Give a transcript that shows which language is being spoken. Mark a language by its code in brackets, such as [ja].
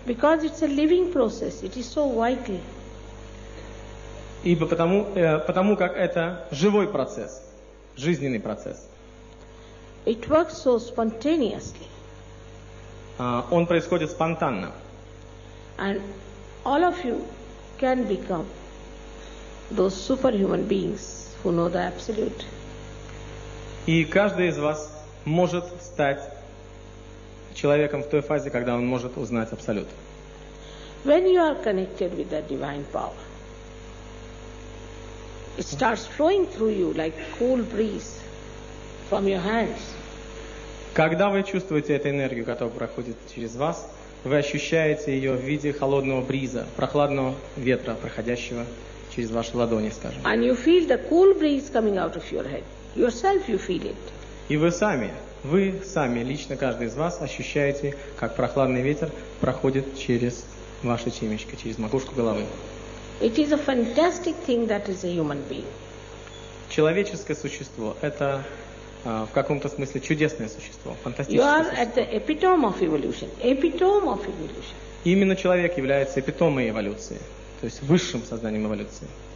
[en] Because it's a living process. It is so vital. [ru] Ибо потому как это живой процесс, жизненный процесс. [en] It works so spontaneously. [ru] Он происходит спонтанно. [en] And all of you can become those superhuman beings who know the absolute. [ru] И каждый из вас может стать человеком в той фазе, когда он может узнать абсолют. [en] When you are connected with the divine power, it starts flowing through you like cool breeze from your hands. [ru] Когда вы чувствуете эту энергию, которая проходит через вас, вы ощущаете ее в виде холодного бриза, прохладного ветра, проходящего через ваши ладони, скажем. [en] And you feel the cool breeze coming out of your head. Yourself you feel it. [ru] И вы сами, лично каждый из вас, ощущаете, как прохладный ветер проходит через ваше темечко, через макушку головы. [en] It is a fantastic thing that is a human being. [ru] Человеческое существо – это в каком-то смысле чудесное существо, фантастическое. [en] You are [ru] существо. [en] At the epitome of evolution. Epitome of evolution. [ru] Именно человек является эпитомой эволюции, то есть высшим сознанием эволюции.